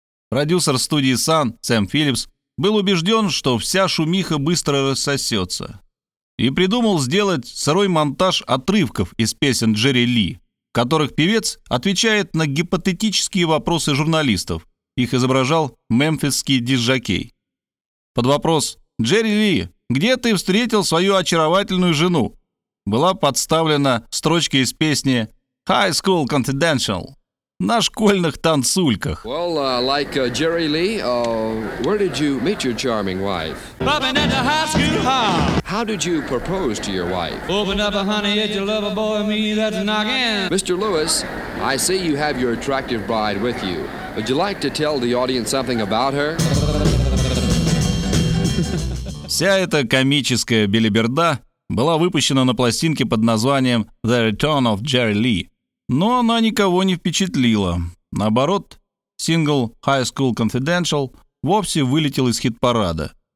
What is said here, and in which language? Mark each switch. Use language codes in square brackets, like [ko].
[ru] Продюсер студии Sun, Сэм Филлипс, был убежден, что вся шумиха быстро рассосется, и придумал сделать сырой монтаж отрывков из песен Джерри Ли, в которых певец отвечает на гипотетические вопросы журналистов их изображал мемфисский диджакей. Под вопрос «Джерри Ли, где ты встретил свою очаровательную жену?» была подставлена строчка из песни «High School Confidential» на школьных танцульках. [en] Well, like Jerry Lee, where did you meet your charming wife? Bobbing at the high school hall. How did you propose to your wife? Open up a honey, it's your lover boy, me, that's knocking. Mr. Lewis, I see you have your attractive bride with you. Would you like to tell the audience something about her? [ru] Вся эта комическая билиберда была выпущена на пластинке под названием «The Return of Jerry Lee». Но она никого не впечатлила. Наоборот, сингл «High School Confidential» вовсе вылетел из хит-парада.